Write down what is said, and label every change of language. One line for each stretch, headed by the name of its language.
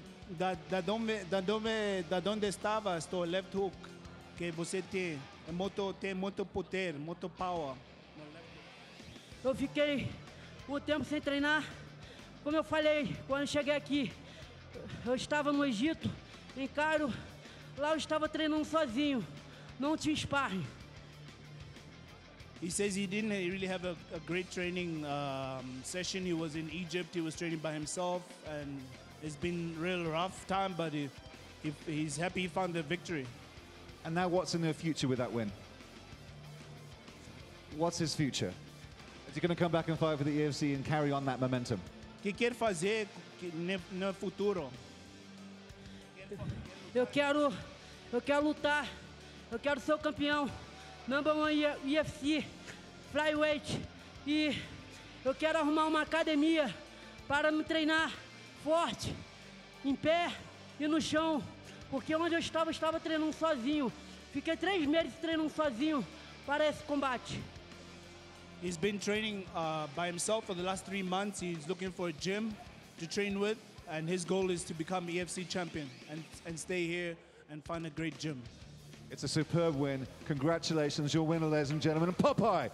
Portuguese: Da onde estava o left hook que você tem muito poder, muito power. Eu fiquei o tempo sem treinar. Como eu falei, quando eu cheguei aqui, eu estava no Egito, em Cairo. Lá eu estava treinando sozinho, não tinha sparring.
English: He says he didn't really have a great training session. He was in Egypt, he was training by himself, and it's been a real rough time, but he's happy he found the victory. And now what's in the future with that win? What's his future? Is he going to come back and fight for the EFC and carry on that momentum?
Portuguese: Que quer fazer no futuro? Eu quero lutar. Eu quero ser o campeão.
English: Number one EFC, flyweight.
Portuguese: E eu quero arrumar uma academia para me treinar. Forte, em pé e no chão, porque onde eu estava treinando sozinho. Fiquei 3 meses treinando sozinho para esse combate.
English: He's been training by himself for the last 3 months. He's looking for a gym to train with, and his goal is to become EFC champion and stay here and find a great gym. It's a superb win. Congratulations, your winner, ladies and gentlemen, Popeye.